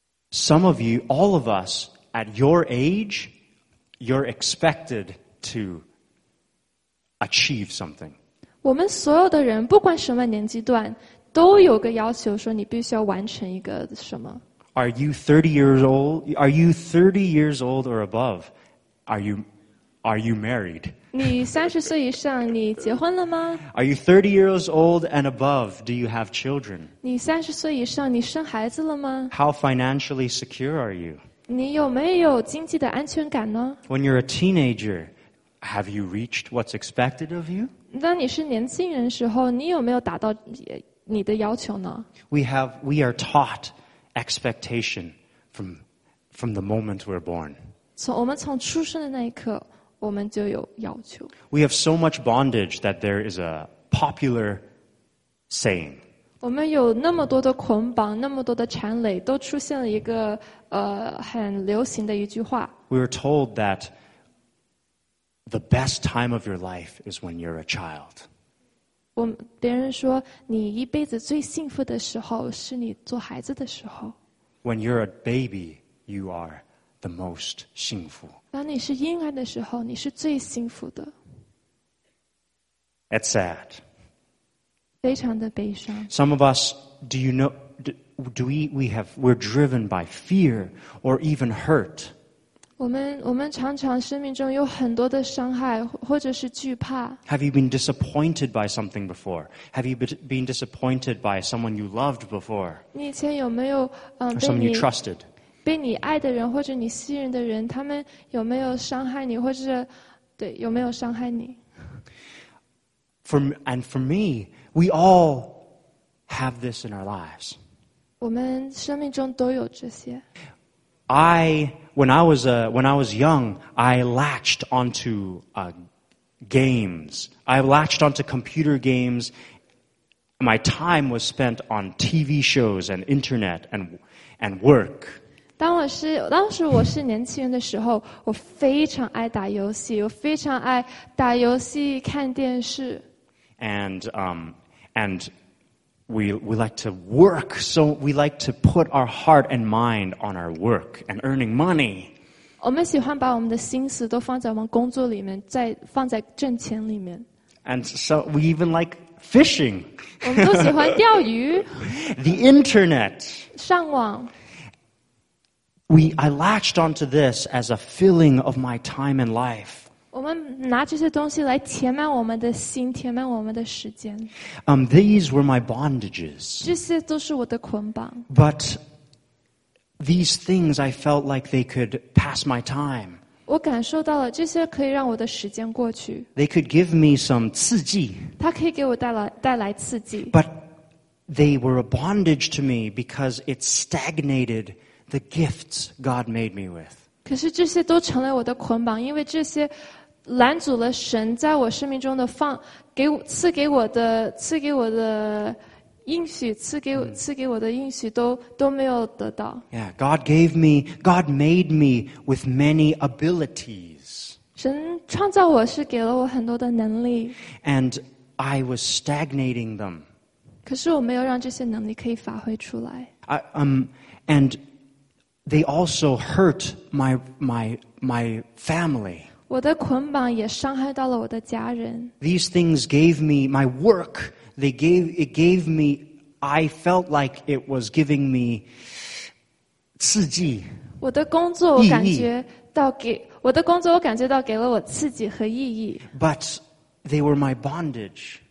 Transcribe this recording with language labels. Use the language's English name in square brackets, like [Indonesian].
[English] Some of you, all of us, at your age, you're expected to. Achieve something. [Chinese] 我们所有的人，不管什么年纪段，都有个要求，说你必须要完成一个什么。 [English] Are you 30 years old? Are you 30 years old or above? Are you married? [Chinese] 你三十岁以上，你结婚了吗？ [English] Are you 30 years old and above? Do you have children? [Chinese] 你三十岁以上，你生孩子了吗？ [English] How financially secure are you? [Chinese] 你有没有经济的安全感呢？ [English] When you're a teenager. Have you reached what's expected of you? [Chinese] 当你是年轻人时候，你有没有达到你的要求呢？ [English] We are taught expectation from the moment we're born. [Chinese] 我们从出生的那一刻，我们就有要求。 [English] We have so much bondage that there is a popular saying. [Chinese] 我们有那么多的捆绑，那么多的缠累，都出现了一个很流行的一句话。 [English] We are told that. The best time of your life is when you're a child. [Chinese] 别人说你一辈子最幸福的时候是你做孩子的时候。 [English] When you're a baby, you are the most [Chinese] 幸福。当你是婴儿的时候，你是最幸福的。 [English] It's sad. [Chinese] 非常的悲伤。 [English] Some of us, do you know, do we have, we're driven by fear or even hurt. [Chinese] 我们常常生命中有很多的伤害，或者是惧怕。 [English] Have you been disappointed by something before? Have you been disappointed by someone you loved before? [Chinese] 你以前有没有 [English] Or someone you trusted? [Chinese] 被你爱的人或者你信任的人，他们有没有伤害你，或者对有没有伤害你 [English] ？For me, we all have this in our lives. [Chinese] 我们生命中都有这些。 [English] When I was young, I latched onto games. I latched onto computer games. My time was spent on TV shows and internet and work. [Chinese] 当时我是年轻人的时候，我非常爱打游戏，我非常爱打游戏看电视。 [English] And we like to work, so we like to put our heart and mind on our work and earning money. [Chinese] 我们喜欢把我们的心思都放在我们工作里面，再放在挣钱里面。 [English] And so we even like fishing. [Chinese] 我们都喜欢钓鱼。 [English] The internet. [Chinese] 上网。 [English] I latched onto this as a filling of my time and life. [Chinese] 我们拿这些东西来填满我们的心，填满我们的时间。 [English] These were my bondages. [Chinese] 这些都是我的捆绑。 [English] But these things I felt like they could pass my time. [Chinese] 我感受到了这些可以让我的时间过去。 [English] They could give me some [Chinese] 刺激。它可以给我带来刺激。 [English] But they were a bondage to me because it stagnated the gifts God made me with. [Chinese] 可是这些都成了我的捆绑，因为这些拦阻了神在我生命中的放，给我赐给我的赐给我的应许，赐给我的应许都没有得到。 [English] Yeah, God made me with many abilities. [Chinese] 神创造我是给了我很多的能力。 [English] And I was stagnating them. [Chinese] 可是我没有让这些能力可以发挥出来。 [English] And they also hurt my family. [Chinese] 我的捆绑也伤害到了我的家人。 [English] These things gave me my work. It gave me. I felt like it was giving me [Chinese] 刺激。我的工作，我感觉到给我的工作，我感觉到给了我刺激和意义。 [English] But they were my bondage.